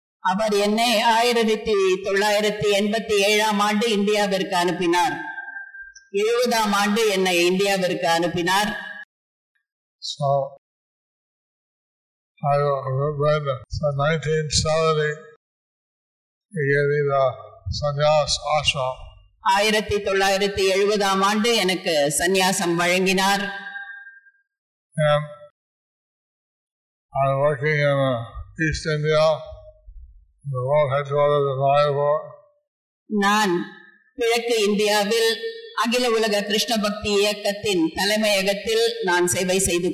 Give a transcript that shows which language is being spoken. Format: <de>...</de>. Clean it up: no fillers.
<ta>அவர் என்னை 1987 ஆண்டு இந்தியாவிற்கு அனுப்பினார். 70 ஆண்டு என்னை இந்தியாவிற்கு அனுப்பினார்.</ta> <en>So, I remember so 1970, he gave me the sannyas ashram.</en> <ta>1970 ஆண்டு எனக்கு சந்நியாசம் வழங்கினார்.</ta> <en>And I'm working in East India, the world headquarters of Mayapur.</en> <ta>நான் கிழக்கு இந்தியாவில் அகில உலக கிருஷ்ண பக்தி இயக்கத்தின் தலைமையகத்தில் நான் சேவை செய்து</ta>